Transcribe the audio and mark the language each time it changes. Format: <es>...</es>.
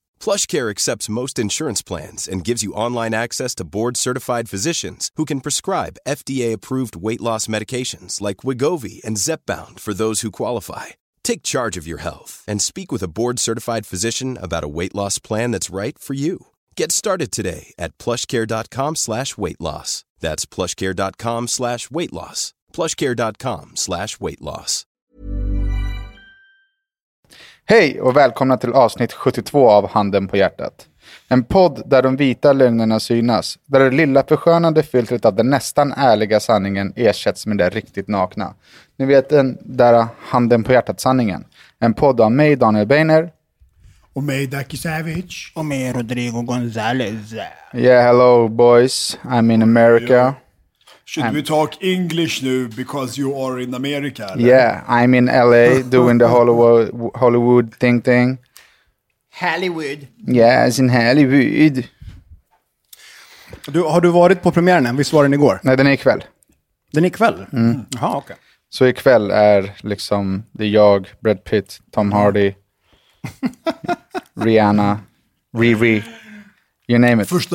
<en>PlushCare accepts most insurance plans and gives you online access to board-certified physicians who can prescribe FDA-approved weight loss medications like Wegovy and Zepbound for those who qualify. Take charge of your health and speak with a board-certified physician about a weight loss plan that's right for you. Get started today at PlushCare.com/weightloss. That's PlushCare.com/weightloss. PlushCare.com/weightloss.</en> <sv>Hej och välkomna till avsnitt 72 av Handen på hjärtat. En podd där de vita lögnerna synas. Där det lilla förskönande filtret av den nästan ärliga sanningen ersätts med det riktigt nakna. Ni vet den där Handen på hjärtat sanningen. En podd av mig, Daniel Beiner. Och mig, Ducky Savage. Och mig, Rodrigo Gonzalez.</sv> <en>Yeah, hello boys. I'm in America. Should we talk English now because you are in America? Right? Yeah, I'm in LA doing the Hollywood thing. Hollywood. Yes, in Hollywood.</en> <sv>Har du varit på premiären? Visst var den igår? Nej, den är ikväll. Den är ikväll? Mm. Jaha, okej. Okay. Så ikväll är liksom det jag, Brad Pitt, Tom Hardy, Rihanna, Riri,</sv> <en>you name it.</en>